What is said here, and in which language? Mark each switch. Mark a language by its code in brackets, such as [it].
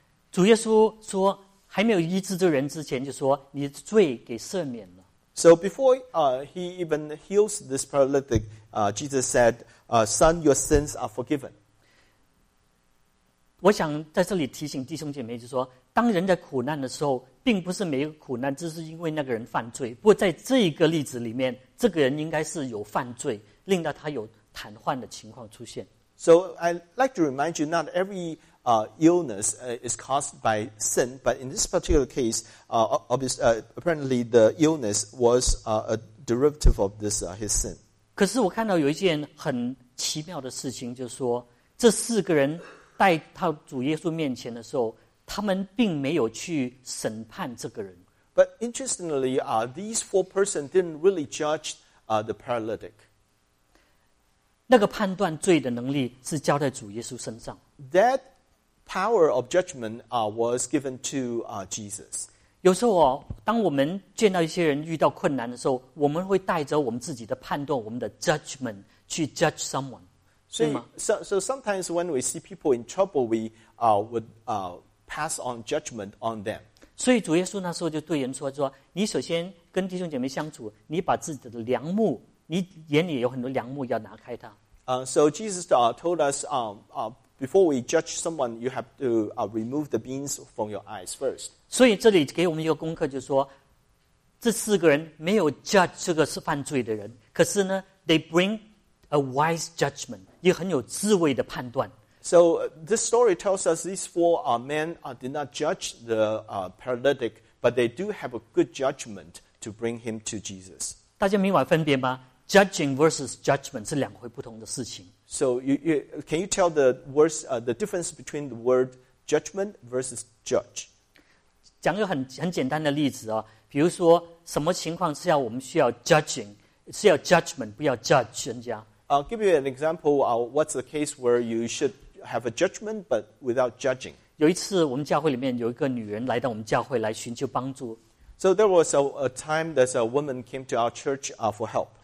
[zh] 主耶稣说，还没有医治这人之前，就说你的罪给赦免了。 [en] So before he even heals this paralytic, Jesus said, "Son, your sins are forgiven." [zh] 我想在这里提醒弟兄姐妹，就说，当人在苦难的时候，并不是没有苦难，只是因为那个人犯罪。不过在这一个例子里面，这个人应该是有犯罪，令到他有瘫痪的情况出现。 [en] So I like to remind you, not every illness is caused by sin, but in this particular case, apparently the illness was a derivative of this his sin. [zh] 可是我看到有一件很奇妙的事情，就是说这四个人带到主耶稣面前的时候，他们并没有去审判这个人。 [en] But interestingly, these four persons didn't really judge the paralytic. [zh] 那个判断罪的能力是交在主耶稣身上。 [en] That power of judgment was given to Jesus. [zh] 有时候当我们见到一些人遇到困难的时候，我们会带着我们自己的判断，我们的 judgment 去 [en] judge someone. So sometimes when we see people in trouble, we would pass on judgment on them. [zh] 所以主耶稣那时候就对人说，说你首先跟弟兄姐妹相处，你把自己的良木，你眼里有很多良木要拿开它。 [en] So Jesus told us, before we judge someone, you have to remove the beans from your eyes first. [zh] 所以这里给我们一个功课，就是说，这四个人没有 judge 这个是犯罪的人，可是呢 ， [en] they bring a wise judgment， [zh] 也很有智慧的判断。 [en] So this story tells us these four men did not judge the paralytic, but they do have a good judgment to bring him to Jesus. [zh] 大家明白分别吗 ？ [en] Judging versus judgment [zh] 是两回不同的事情。 [en] So can you tell the words, the difference between the word judgment versus judge? [zh] 讲一个很简单的例子啊，比如说什么情况是要我们需要 judging, 是要 judgment, 不要 judge 人家。 [en] I'll give you an example, what's the case where you should have a judgment but without judging. [zh] 有一次我们教会里面有一个女人来到我们教会来寻求帮助。 [en] So there was a time that a woman came to our church for help.